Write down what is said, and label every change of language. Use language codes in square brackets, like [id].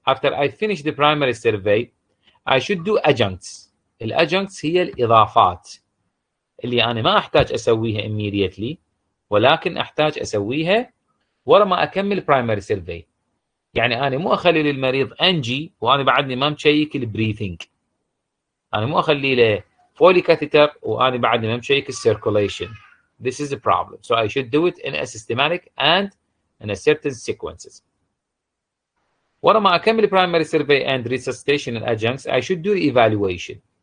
[en] After I finish the primary survey, I should do adjuncts. [ar] The adjuncts هي الإضافات اللي أنا ما أحتاج أسويها immediately، ولكن أحتاج أسويها ورا ما أكمل primary survey. يعني أنا مو أخلي للمريض NG وأنا بعدني ما مشيك breathing. أنا مو أخلي له Foley catheter وأنا بعدني ما مشيك circulation. [en] This is a problem. So I should do it in a systematic and in a certain sequences. [ar] ورا ما أكمل [en] primary survey and resuscitation and adjuncts, I should do evaluation.